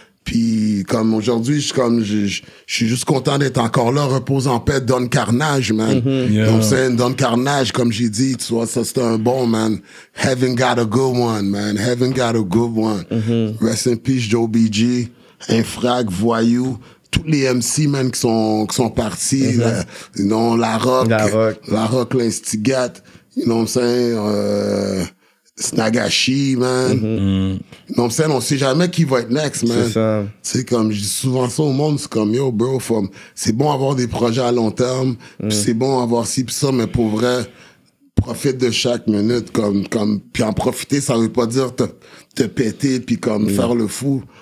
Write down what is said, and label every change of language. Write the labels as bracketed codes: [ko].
[fr] Puis comme aujourd'hui, je suis juste content d'être encore là, repose en paix, Don Carnage, man. Donc c'est un Don Carnage, comme j'ai dit, tu vois, ça c'est un bon, man. [en] Heaven got a good one, man. Heaven got a good one. Rest in peace, Joe BG, Infrag, Voyou, [fr] tous les MC, man, qui sont partis. [en] La Rock, l'Instigat, you know what I'm saying, Snagashi, man. [fr] Non, on sait jamais qui va être next, man. C'est ça. C'est comme, je dis souvent ça au monde, c'est comme, yo, bro, c'est bon avoir des projets à long terme, pis c'est bon avoir ci pis ça, mais pour vrai, profite de chaque minute, comme, pis en profiter, ça veut pas dire te péter pis comme faire le fou.